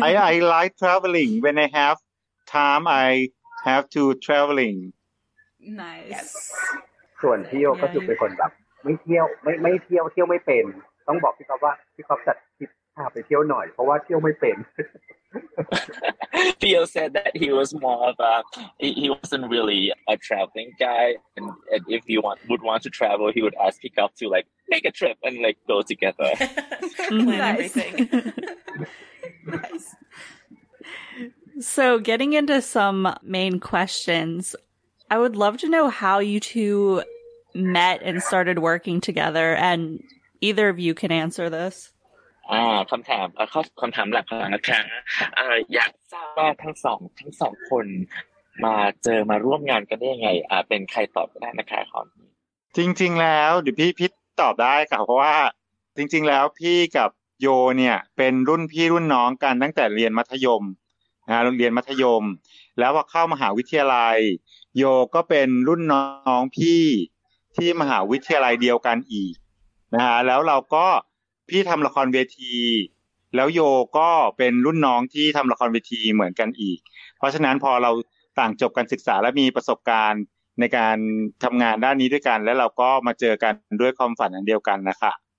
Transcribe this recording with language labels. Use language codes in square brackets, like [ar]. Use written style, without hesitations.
[en] I like traveling when I have time I have to traveling nice yes. [th] ส่วนพี่โอก็จะเป็นคนแบบไม่เที่ยวไม่เที่ยวไม่เป็นต้องบอกพี่ก๊อฟว่าพี่ก๊อฟจัดทริปพาไปเที่ยวหน่อยเพราะว่าเที่ยวไม่เป็น [en] Pio said that he was more of a he wasn't really a traveling guy and if you would want to travel he would ask pick up to like make a trip and like go together plan everything nice So getting into some main questions, I would love to know how you two met and started working together, and either of you can answer this. [th] คำถามหลักของเราครับอยากทราบว่าทั้งสองคนมาเจอมาร่วมงานกันได้ยังไงเป็นใครตอบก็ได้นะคะข อจริงๆแล้วเดี๋ยวพี่พิทตอบได้ค่ะเพราะว่าจริงๆแล้วพี่กับ โยเนี่ยเป็นรุ่นพี่รุ่นน้องกันตั้งแต่เรียนมัธยมนะเรียนมัธยมแล้วพอเข้ามหาวิทยาลัยโยก็เป็นรุ่นน้องพี่ที่มหาวิทยาลัยเดียวกันอีกนะฮะแล้วเราก็พี่ทำละครเวทีแล้วโยก็เป็นรุ่นน้องที่ทำละครเวทีเหมือนกันอีกเพราะฉะนั้นพอเราต่างจบการศึกษาและมีประสบการณ์ในการทำงานด้านนี้ด้วยกันแล้วเราก็มาเจอกันด้วยความฝันอันเดียวกันนะคะ